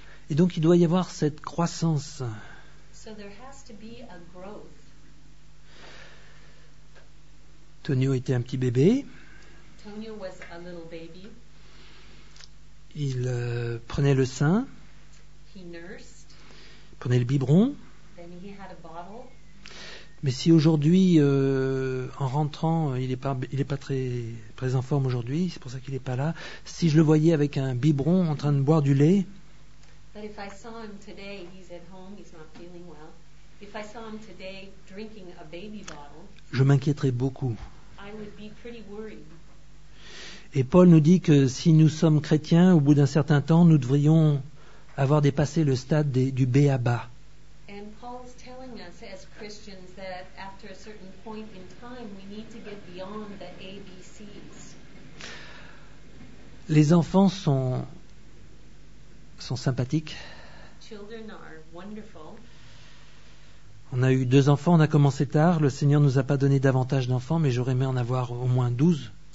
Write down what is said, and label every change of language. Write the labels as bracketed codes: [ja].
[fr] Et donc il doit y avoir cette croissance. [en] So there has to be a growth. [fr] Tony était un petit bébé. [en] Tonio was a little baby. [fr] Il prenait le sein. [en] He nursed. [fr] Il prenait le biberon. [en] Then he had a bottle. [fr] Mais si aujourd'hui, en rentrant, il n'est pas très en forme aujourd'hui, c'est pour ça qu'il n'est pas là. Si je le voyais avec un biberon en train de boire du lait. [en] But if I saw him today, he's at home, he's not feeling well. If I saw him today drinking a baby bottle. [fr] Je m'inquiéterais beaucoup. [en] I would be pretty worried. [fr] Et Paul nous dit que si nous sommes chrétiens, au bout d'un certain temps, nous devrions avoir dépassé le stade du béaba. [en] And Paul is telling us as Christians that after a certain point in time, we need to get beyond the ABCs. [fr] Les enfants sont sympathiques. [en] Children are wonderful. [fr] On a eu 2 enfants, on a commencé tard. Le Seigneur ne nous a pas donné davantage d'enfants, mais j'aurais aimé en avoir au moins 12.